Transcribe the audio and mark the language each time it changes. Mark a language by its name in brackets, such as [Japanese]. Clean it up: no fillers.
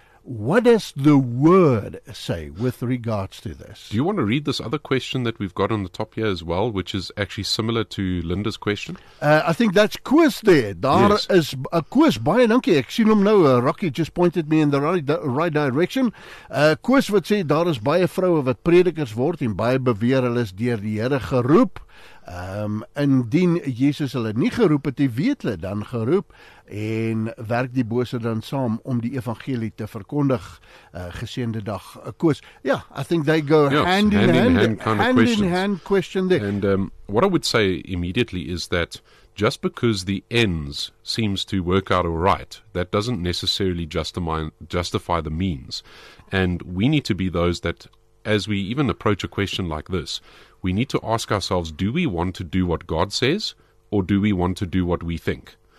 [English] What does the Word say with regards to this? Do you want to read this other question that we've got on the top here as well, which is actually similar to Linda's question? I think that's quiz there. Is a quiz. [Afrikaans] Baie dankie. Ek sien hom nou. [English] Rocky just pointed me in the right direction. [Afrikaans] Quiz wat sê, daar is baie vroue wat predikers word en baie beweer hulle is deur die Here geroep. Indien Jesus hulle nie geroep het, die weet hulle dan geroep en werk die bose dan saam om die evangelie te verkondig. Geseende dag, Koos. [English] Yeah, I think they go hand in hand question there. And what I would say immediately is that just because the ends seems to work out all right, that doesn't necessarily justify the means. And we need to be those that, as we even approach a question like this, we need to ask ourselves, do we want to do what God says, or do we want to do what we think?